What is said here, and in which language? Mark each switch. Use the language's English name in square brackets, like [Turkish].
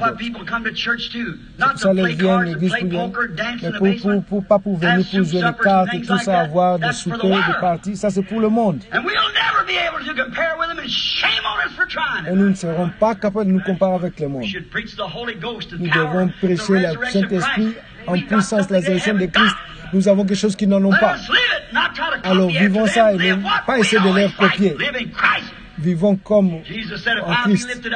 [English] why people come to church too, not to play cards, to play poker, dance in the basement. [French] Pour venir pour jouer les cartes et tout ça, avoir des soupers, des parties, ça c'est pour le monde. [English] And we'll never be able to compare with them, and shame on us for trying. [French] Et nous ne serons pas capables de nous comparer avec le monde. [English] We should preach the Holy Ghost [French] nous devons prêcher le Saint-Esprit en puissance, la résurrection de Christ. Nous avons quelque chose qu'ils n'en ont pas. Alors vivons ça et ne pas essayer de les copier. Vivons comme en Christ.